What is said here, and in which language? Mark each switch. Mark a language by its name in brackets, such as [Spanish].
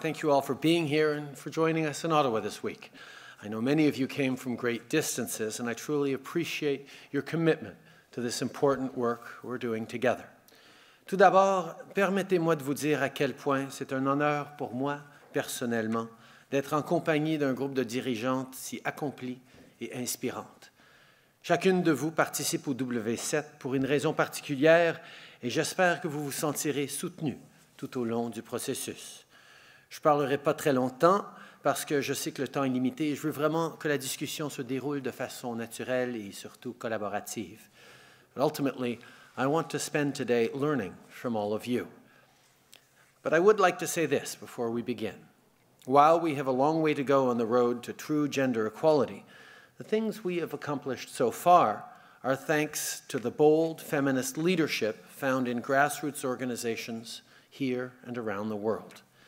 [English] Thank you all for being here and for joining us in Ottawa this week. I know many of you came from great distances, and I truly appreciate your commitment to this important work we're doing together. [French] Tout d'abord, permettez-moi de vous dire à quel point c'est un honneur pour moi, personnellement, d'être en compagnie d'un groupe de dirigeantes si accomplies et inspirantes. Chacune de vous participe au W7 pour une raison particulière, et j'espère que vous vous sentirez soutenue tout au long du processus. Je ne parlerai pas très longtemps, parce que je sais que le temps est limité, et je veux vraiment que la discussion se déroule de façon naturelle et surtout collaborative. [English] But ultimately, I want to spend today learning from all of you. But I would like to say this before we begin. While we have a long way to go on the road to true gender equality, the things we have accomplished so far are thanks to the bold feminist leadership found in grassroots organizations here and around the world.